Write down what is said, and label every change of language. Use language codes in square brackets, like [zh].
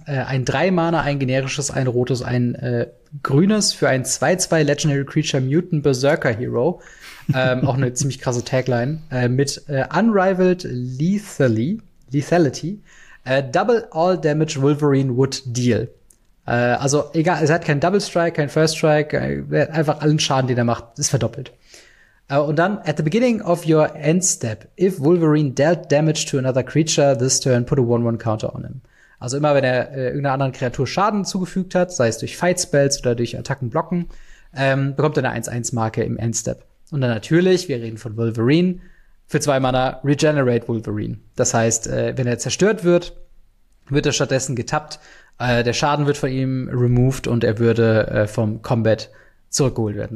[de] Ein 3-Mana, ein generisches, ein rotes, ein grünes für ein 2-2 Legendary Creature Mutant Berserker Hero. auch eine ziemlich krasse Tagline. Mit Unrivaled Lethality. [en] Double all damage Wolverine would deal. [de] Also egal, es hat keinen Double Strike, keinen First Strike. Einfach allen Schaden, den er macht, ist verdoppelt. Und dann, [en] at the beginning of your end step, if Wolverine dealt damage to another creature this turn, put a 1-1 counter on him. [de] Also immer, wenn er irgendeiner anderen Kreatur Schaden zugefügt hat, sei es durch Fight Spells oder durch Attacken blocken, bekommt er eine 1-1-Marke im Endstep. Und dann natürlich, wir reden von Wolverine, für 2 Mana Regenerate Wolverine. Das heißt, wenn er zerstört wird, wird er stattdessen getappt, der Schaden wird von ihm removed und er würde vom Combat zurückgeholt werden.